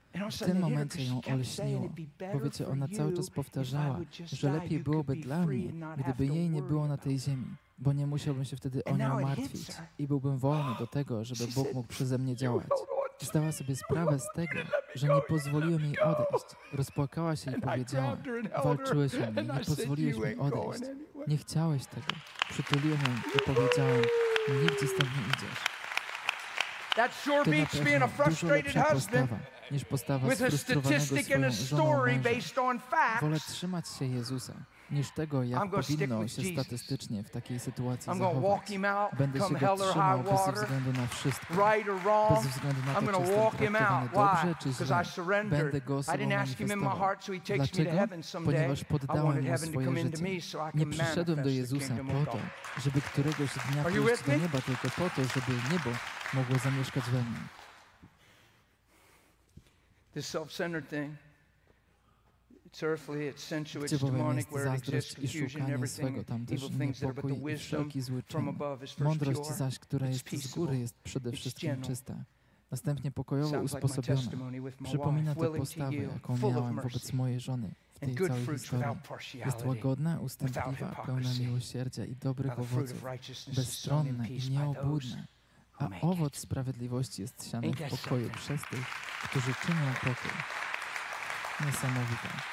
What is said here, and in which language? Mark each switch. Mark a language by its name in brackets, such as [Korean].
[Polish] W tym momencie ją olśniło, bo wiecie, ona cały czas powtarzała, że lepiej byłoby dla mnie, gdyby jej nie było na tej ziemi, bo nie musiałbym się wtedy o nią martwić i byłbym wolny do tego, żeby Bóg mógł przeze mnie działać. Zdała sobie sprawę z tego, że nie pozwoliłem jej odejść. Rozpłakała się i powiedziała, walczyłeś o mnie, nie pozwoliłeś mi odejść. Nie chciałeś tego. Przytuliłem ją i powiedziałem, nigdzie stąd nie idziesz. [English] That sure beats being a frustrated husband with a statistic and a story based on facts. [Polish] Wolę trzymać się Jezusa, niż tego, jak powinno się statystycznie w takiej sytuacji zachować. Będę się go trzymał bez względu na wszystko. Bez względu na to, czy jestem traktowany dobrze, czy źle. Będę go osobą manifestował. Dlaczego? Ponieważ poddałem mu swoje życie. Nie przyszedłem do Jezusa po to, żeby któregoś dnia pójść do nieba, tylko po to, żeby niebo mogło zamieszkać we mnie. [English] This self-centered thing. It's earthly, it's sensual, it's demonic, where it exists, confusion, everything, evil things that are, but the wisdom from above is first pure, it's peaceable, it's gentle. [Polish] Następnie pokojowo usposobiona. Przypomina tę postawę, jaką miałem wobec mojej żony w tej całej historii. Jest łagodna, ustępliwa, pełna miłosierdzia i dobrych owoców, bezstronna i nieobłudna, a owoc sprawiedliwości jest siany w pokoju przez tych, którzy czynią pokój. Niesamowite.